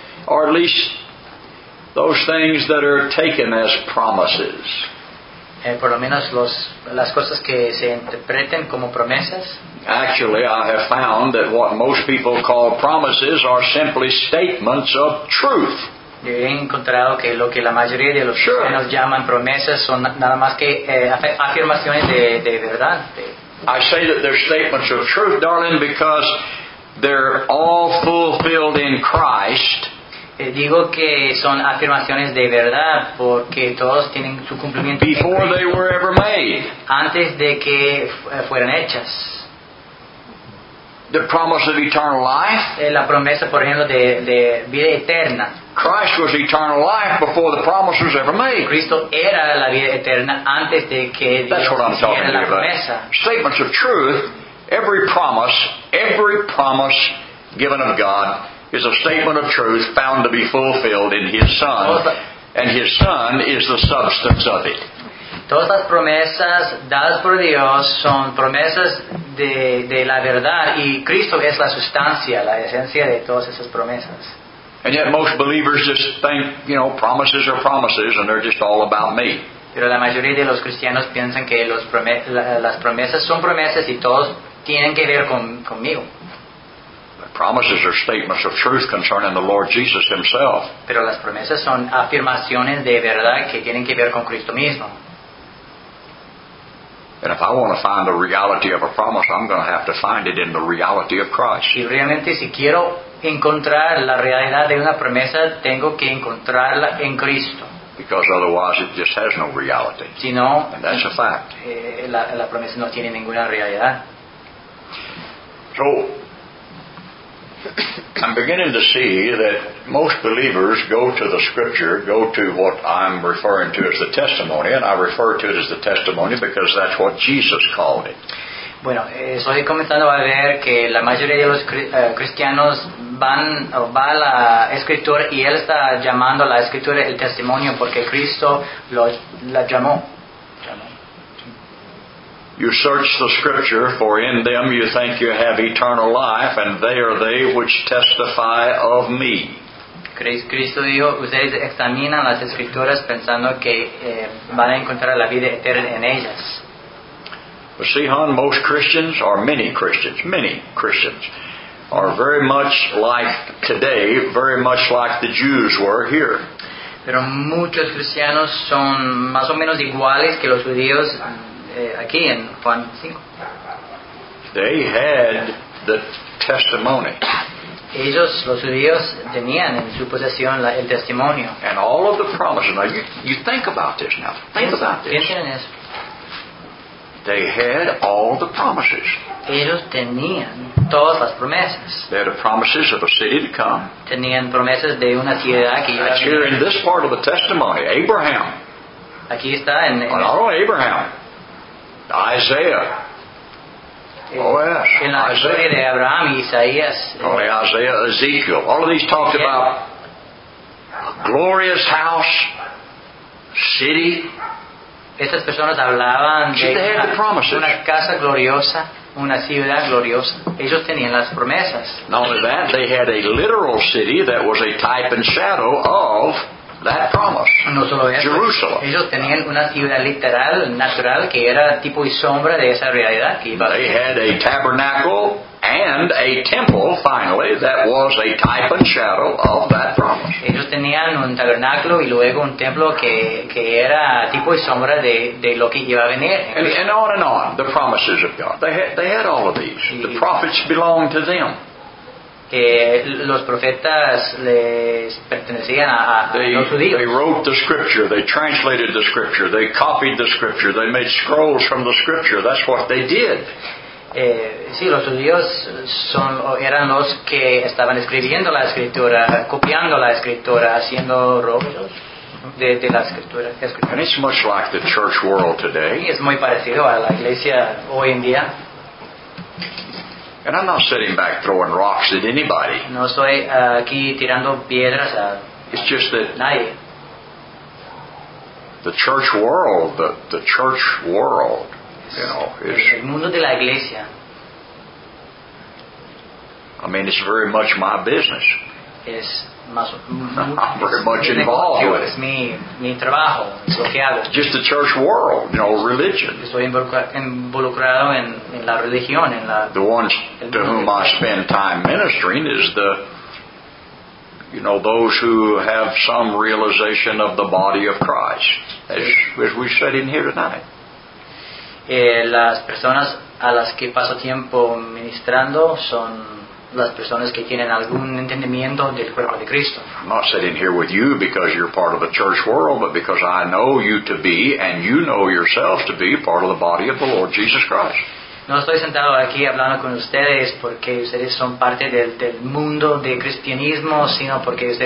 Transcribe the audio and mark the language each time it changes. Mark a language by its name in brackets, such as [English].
[English] Or at least those things that are taken as promises. [Spanish] Por lo menos las cosas que se interpreten como promesas. [English] Actually, I have found that what most people call promises are simply statements of truth. [Spanish] Yo he encontrado que lo que la mayoría de los cristianos llaman promesas son nada más que afirmaciones de verdad. [English] I say that they're statements of truth, darling, because they're all fulfilled in Christ. [Spanish] Digo que son afirmaciones de verdad porque todos tienen su cumplimiento en Cristo. [English] Before they were ever made. [Spanish] Antes de que fueran hechas. [English] The promise of eternal life. [Spanish] La promesa, por ejemplo, de vida eterna. [English] Christ was eternal life before the promise was ever made. [Spanish] Cristo era la vida eterna antes de que Dios hiciera la promesa. [English] Statements of truth. Every promise given of God is a statement of truth found to be fulfilled in His Son, and His Son is the substance of it. [Spanish] Todas las promesas dadas por Dios son promesas de la verdad, y Cristo es la sustancia, la esencia de todas esas promesas. [English] And yet most believers just think, you know, promises are promises, and they're just all about me. [Spanish] Pero la mayoría de los cristianos piensan que las promesas son promesas y todos tienen que ver conmigo. [English] Promises are statements of truth concerning the Lord Jesus Himself. [Spanish] Pero las promesas son afirmaciones de verdad que tienen que ver con Cristo mismo. [English] And if I want to find the reality of a promise, I'm going to have to find it in the reality of Christ. [Spanish] Y realmente, si quiero encontrar la realidad de una promesa, tengo que encontrarla en Cristo. [English] Because otherwise, it just has no reality. [Spanish] Si no, [English] and that's a fact. [Spanish] La promesa no tiene ninguna realidad. [English] So, I'm beginning to see that most believers go to the scripture, go to what I'm referring to as the testimony, and I refer to it as the testimony because that's what Jesus called it. [Spanish] Bueno, estoy comenzando a ver que la mayoría de los cristianos va a la escritura y él está llamando a la escritura el testimonio porque Cristo la llamó. [English] You search the scripture, for in them you think you have eternal life, and they are they which testify of me. [Spanish] Cristo dijo, ustedes examinan las escrituras pensando que van a encontrar la vida eterna en ellas. [English] But see, hon, most Christians, or many Christians, are very much like today, very much like the Jews were here. [Spanish] Pero muchos cristianos son más o menos iguales que los judíos. Aquí en Juan 5. [English] They had the testimony. [Spanish] Ellos, los judíos, tenían en su posesión el testimonio. [English] And all of the promises. Now, you think about this now. Think about this. [Spanish] Piensen en eso. [English] They had all the promises. [Spanish] Ellos tenían todas las promesas. [English] They had the promises of a city to come. [Spanish] Tenían promesas de una ciudad que iba a venir. [English] That's here in this part of the testimony, Abraham. [Spanish] Aquí está en. [English] Well, not only Abraham, Isaiah. Oh yes, [Spanish] en la [English] Isaiah. [Spanish] De Abraham, Isaías, [English] only Isaiah, Ezekiel. All of these talked about a glorious house, city. [Spanish] Estas personas hablaban de una casa gloriosa, una ciudad gloriosa. Ellos tenían las promesas. [English] Not only that, they had a literal city that was a type and shadow of that promise. [Spanish] No solo eso, [English] Jerusalem. [Spanish] Ellos tenían una ciudad literal, natural, que era tipo y sombra de esa realidad. [English] They had a tabernacle and a temple, finally, that was a type and shadow of that promise. [Spanish] Ellos tenían un tabernáculo y luego un templo que era tipo y sombra de lo que iba a venir. [English] And on, the promises of God. They had all of these. The prophets belonged to them. [Spanish] Que los profetas les pertenecían a los judíos. [English] They wrote the scripture. They translated the scripture. They copied the scripture. They made scrolls from the scripture. That's what they did. [Spanish] Sí, los judíos eran los que estaban escribiendo la escritura, copiando la escritura, haciendo rollos de la escritura. [English] And it's much like the church world today. [Spanish] Es muy parecido a la iglesia hoy en día. [English] And I'm not sitting back throwing rocks at anybody. [Spanish] No soy aquí tirando piedras a [English] it's just that [Spanish] nadie. [English] The church world, you know, is [Spanish] el mundo de la iglesia. [English] I mean, it's very much my business. [Spanish] Es más, [English] I'm very much involved with it. [Spanish] Es mi trabajo, lo que hago. [English] Just the church world, you know, religion. [Spanish] Estoy involucrado en la religión, en la. [English] The ones to whom I spend time ministering is the, you know, those who have some realization of the body of Christ, as we said in here tonight. [Spanish] Las personas a las que paso tiempo ministrando son las personas que tienen algún entendimiento del cuerpo de Cristo. [English] I'm not sitting here with you because you're part of the church world, but because I know you to be, and you know yourself to be, part of the body of the Lord Jesus Christ. [Spanish] No estoy sentado aquí hablando con ustedes porque ustedes son parte del mundo de cristianismo, sino porque ustedes.